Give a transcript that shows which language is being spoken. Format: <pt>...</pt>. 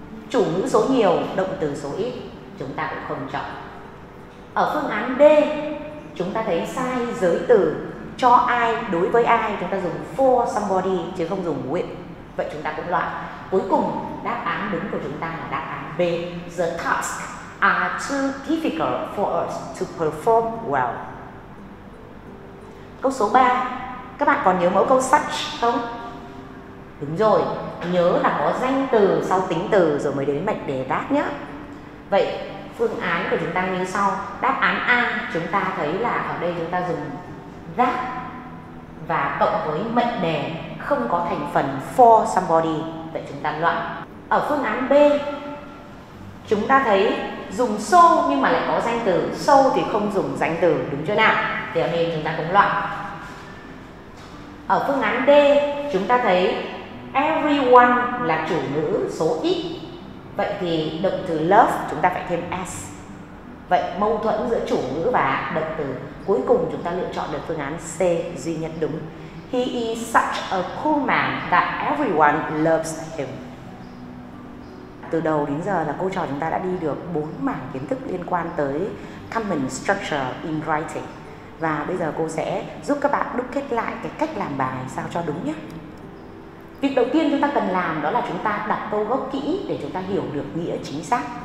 <vi>Chủ ngữ số nhiều, động từ số ít, chúng ta cũng không chọn. Ở phương án D, chúng ta thấy sai giới từ cho ai, đối với ai, chúng ta dùng</vi> <en>for somebody</en> <vi>chứ không dùng with. Vậy chúng ta cũng loại. Cuối cùng, đáp án đúng của chúng ta là đáp án B.</vi> <en>The tasks are too difficult for us to perform well.</en> <vi>Câu số 3, các bạn còn nhớ mẫu câu such không? Đúng rồi, nhớ là có danh từ sau tính từ rồi mới đến mệnh đề tác nhé. Vậy phương án của chúng ta như sau. Đáp án A, chúng ta thấy là ở đây chúng ta dùng that và cộng với mệnh đề không có thành phần for somebody. Vậy chúng ta loại. Ở phương án B, chúng ta thấy dùng so nhưng mà lại có danh từ. So thì không dùng danh từ, đúng chưa nào? Thì ở đây chúng ta cũng loại. Ở phương án D, chúng ta thấy everyone là chủ ngữ số ít. Vậy thì động từ love chúng ta phải thêm S. Vậy mâu thuẫn giữa chủ ngữ và động từ. Cuối cùng chúng ta lựa chọn được phương án C duy nhất đúng.</vi> <en>He is such a cool man that everyone loves him.</en> <vi>Từ đầu đến giờ là cô trò chúng ta đã đi được 4 mảng kiến thức liên quan tới</vi> <en>common structure in writing.</en> <vi>Và bây giờ cô sẽ giúp các bạn đúc kết lại cái cách làm bài sao cho đúng nhé. Việc đầu tiên chúng ta cần làm đó là chúng ta đặt câu gốc kỹ để chúng ta hiểu được nghĩa chính xác.</vi>